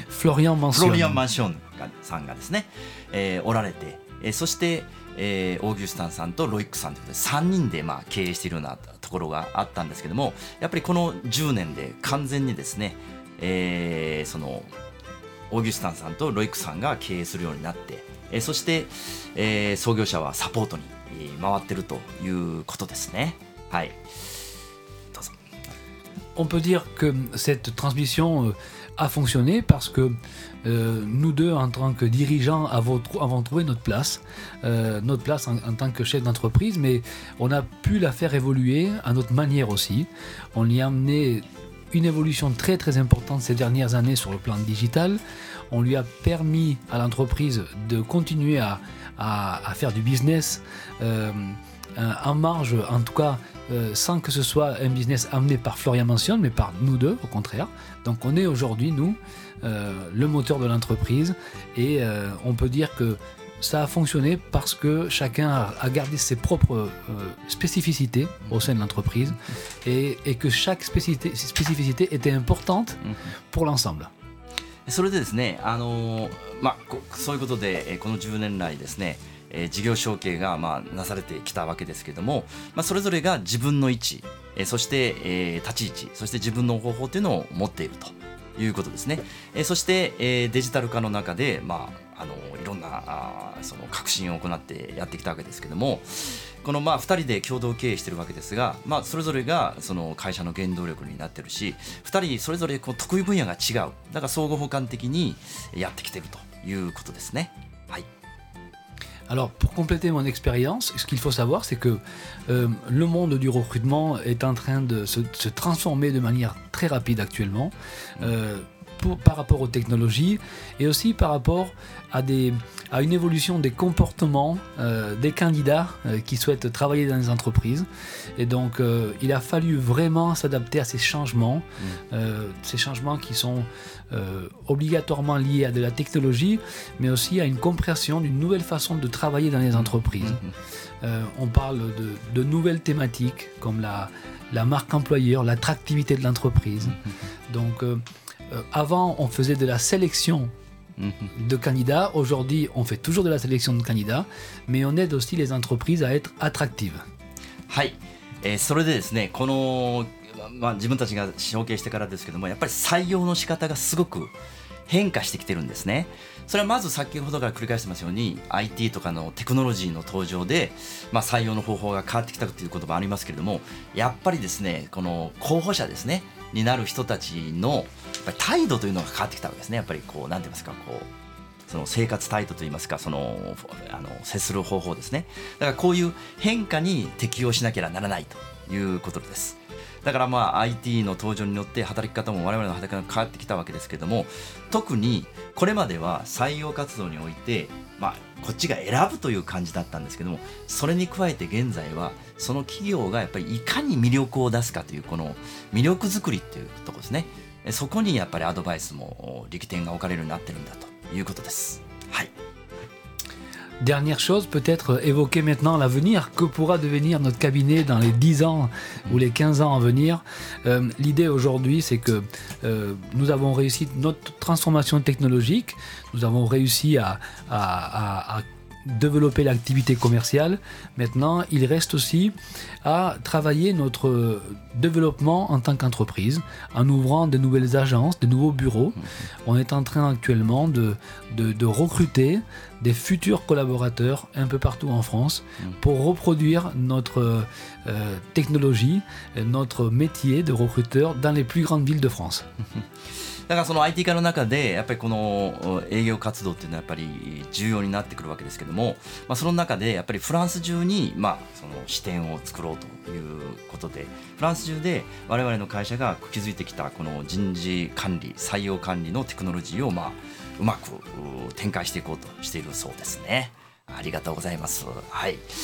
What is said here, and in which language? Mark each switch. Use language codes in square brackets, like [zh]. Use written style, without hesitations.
[ja] Florian Mancione さんがですね、おられて、そしてオーギュスタンさんとロイックさんということで3人でまあ経営しているようなところがあったんですけども、やっぱりこの10年で完全にですね、そのオーギュスタンさんとロイックさんが経営するようになって、そして、創業者はサポートに回っているということですね。はい、どうぞ。 [fr] On peut dire que cette transmission a fonctionné parce que nous deux, en tant que dirigeants, avons trouvé notre place en tant que chef d'entreprise, mais on a pu la faire évoluer à notre manière aussi. On y a amené une évolution très très importante ces dernières années sur le plan digital. On lui a permis à l'entreprise de continuer à faire du business en marge, en tout cas, sans que ce soit un business amené par Florian Mancione, mais par nous deux, au contraire. Donc on est aujourd'hui, nous, le moteur de l'entreprise, et on peut dire que ça a fonctionné parce que chacun a gardé ses propres spécificités au sein de l'entreprise, et que chaque spécificité était importante pour l'ensemble. [ja] それでですね、まあ、そういうことで、この10年来ですね、事業承継が、まあ、なされてきたわけですけども、まあ、それぞれが自分の位置、そして、立ち位置、そして自分の方法というのを持っているということですね。そして、デジタル化の中で、まあ、いろんなその革新を行ってやってきたわけですけども、この、まあ、2人で共同経営しているわけですが、まあ、それぞれがその会社の原動力になっているし、2人それぞれこう得意分野が違う、だから相互補完的にやってきているということですね。はい。 [fr] Alors, pour compléter mon expérience, ce qu'il faut savoir, c'est que le monde du recrutement est en train de se transformer de manière très rapide actuellement, par rapport aux technologies et aussi par rapport à une évolution des comportements des candidats qui souhaitent travailler dans les entreprises. Et donc, il a fallu vraiment s'adapter à ces changements, ces changements qui sont obligatoirement liés à de la technologie, mais aussi à une compréhension d'une nouvelle façon de travailler dans les entreprises. On parle de nouvelles thématiques comme la marque employeur, l'attractivité de l'entreprise. Donc, avant, on faisait de la sélection de candidats. Aujourd'hui, on fait toujours de la sélection de candidats, mais on aide aussi les entreprises à être attractives. Oui. [ja] Et それでですね、この、まあ、自分たちが承継してからですけども、やっぱり採用の仕方がすごく変化してきてるんですね。それはまず先ほどから繰り返してますように、IT とかのテクノロジーの登場で、まあ、採用の方法が変わってきたということもありますけれども、やっぱりですね、この候補者ですね。になる人たちのやっぱり態度というのが変わってきたわけですね。やっぱりこう何て言いますか、こうその生活態度といいますか、その接する方法ですね。だからこういう変化に適応しなければならないということです。だからまあ IT の登場によって働き方も我々の働き方も変わってきたわけですけれども、特にこれまでは採用活動においてまあこっちが選ぶという感じだったんですけども、それに加えて現在はその企業がやっぱりいかに魅力を出すかというこの魅力作りっていうところですね。そこにやっぱりアドバイスも力点が置かれるようになってるんだということです。はい。 [fr] Dernière chose, peut-être évoquer maintenant l'avenir. Que pourra devenir notre cabinet dans les 10 ans ou les 15 ans à venir ? L'idée aujourd'hui, c'est que nous avons réussi notre transformation technologique. Nous avons réussi à développer l'activité commerciale. Maintenant, il reste aussi à travailler notre développement en tant qu'entreprise, en ouvrant de nouvelles agences, de nouveaux bureaux. On est en train actuellement de recruter des futurs collaborateurs un peu partout en France pour reproduire notre technologie, notre métier de recruteur dans les plus grandes villes de France. [ja] だからその IT 化の中でやっぱりこの営業活動っていうのはやっぱり重要になってくるわけですけども、まあ、その中でやっぱりフランス中にまあその支店を作ろうということで、フランス中で我々の会社が築いてきたこの人事管理、採用管理のテクノロジーをまあうまく展開していこうとしているそうですね。ありがとうございます。はい。